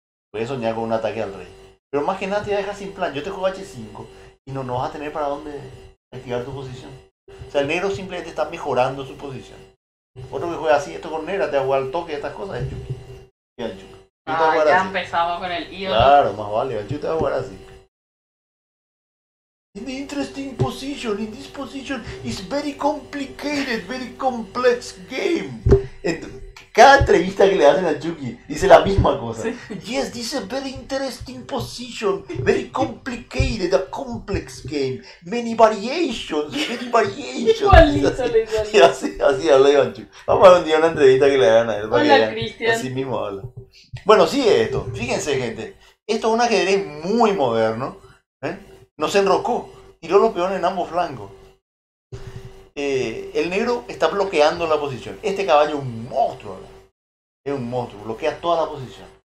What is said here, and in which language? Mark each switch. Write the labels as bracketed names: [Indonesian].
[Spanish] Puede soñar con un ataque al rey. Pero más que nada te voy a dejar sin plan. Yo te juego H5 y no vas a tener para dónde activar tu posición. O sea, el negro simplemente está mejorando su posición. Otro que juega así, esto con negra, te va a jugar al toque de estas cosas, es Chucky. Y al Chucky. Ah, ya empezamos así. Con el ídolo. Claro, más vale. El Chucky te va a jugar así. [English] In the interesting position, in this position, it's very complicated, very complex game. [Spanish] Cada entrevista que le hacen a Chucky dice la misma cosa. ¿Sí? [English] Yes, this is a very interesting position, very complicated, a complex game, many variations, many variations. [Spanish] Igualito, así habla Iván Chucky. Vamos a ver un día una entrevista que le hagan a él. Hola, Cristian. Así mismo habla. Bueno, sigue esto. Fíjense, gente. Esto es un ajedrez muy moderno, ¿eh? No se enrocó, tiró los peones en ambos flancos. El negro está bloqueando la posición. Este caballo es un monstruo, ¿verdad? Es un monstruo, bloquea toda la posición.